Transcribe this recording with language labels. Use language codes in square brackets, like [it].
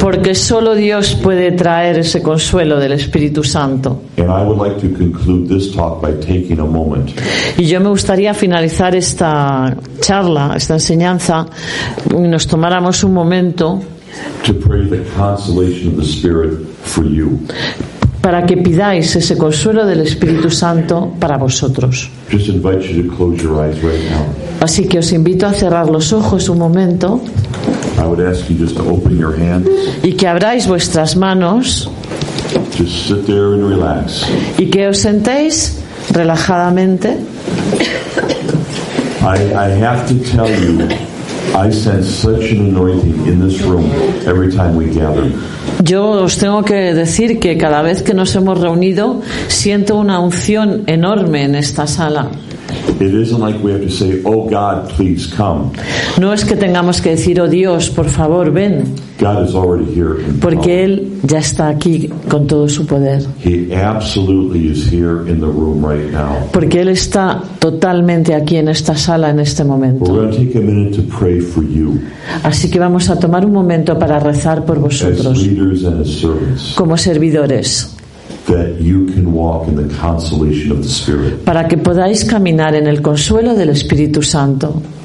[es] Porque solo Dios puede traer ese consuelo del Espíritu Santo. [en] And I would like to conclude this talk by taking a moment. [es] Y yo me gustaría finalizar esta charla, esta enseñanza, y nos tomáramos un momento [en] to pray the consolation of the Spirit for you. [es] Para que pidáis ese consuelo del Espíritu Santo para vosotros. [en] Just invite you to close your eyes right now. [es] Así que os invito a cerrar los ojos un momento. [en] I would ask you just to open your hands. [es] Y que abráis vuestras manos. [en] Just sit there and relax. [es] Y que os sentéis relajadamente. [en] I have to tell you, I sense such an anointing in this room every time we gather. [es] Yo os tengo que decir que cada vez que nos hemos reunido siento una unción enorme en esta sala. [en] It isn't like we have to say, "Oh God, please come." [es] No es que tengamos que decir, "Oh Dios, por favor, ven." [en] God is already here. [es] Porque él ya está aquí con todo su poder. [en] He absolutely is here in the room right now. [es] Porque él está totalmente aquí en esta sala en este momento. [en] We're going to take a minute to pray for you. [es] Así que vamos a tomar un momento para rezar por vosotros. [en] As leaders and as servants. [es] Como servidores. [en] That you can walk in the consolation of the Spirit. [es] Para que podáis caminar en el consuelo del Espíritu Santo.